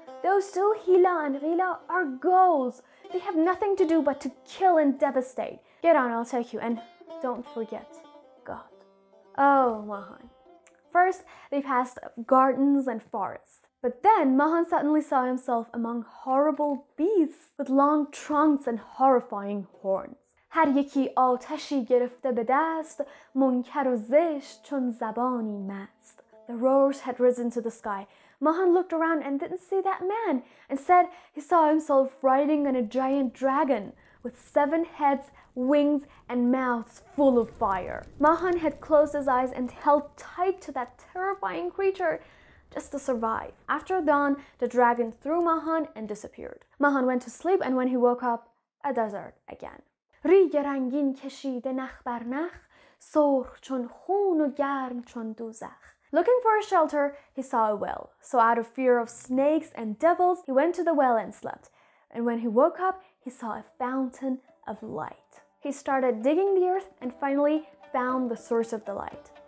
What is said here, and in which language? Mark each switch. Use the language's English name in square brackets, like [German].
[English] Those two, Hila and Rila, are ghouls. They have nothing to do but to kill and devastate. Get on, I'll take you, and don't forget God." Oh, Mahan. First, they passed gardens and forests. But then Mahan suddenly saw himself among horrible beasts with long trunks and horrifying horns. [Persian] هر یکی آتشی گرفته به دست منکر و زشت چون زبانی مست. [English] The roars had risen to the sky. Mahan looked around and didn't see that man. Instead, he saw himself riding on a giant dragon with 7 heads, wings, and mouths full of fire. Mahan had closed his eyes and held tight to that terrifying creature just to survive. After dawn, the dragon threw Mahan and disappeared. Mahan went to sleep, and when he woke up, a desert again. [Persian] ریگ رنگین کشیده نخ بر نخ سرخ چون خون و گرم چون دوزخ. [English] Looking for a shelter, he saw a well. So out of fear of snakes and devils, he went to the well and slept. And when he woke up, he saw a fountain of light. He started digging the earth and finally found the source of the light.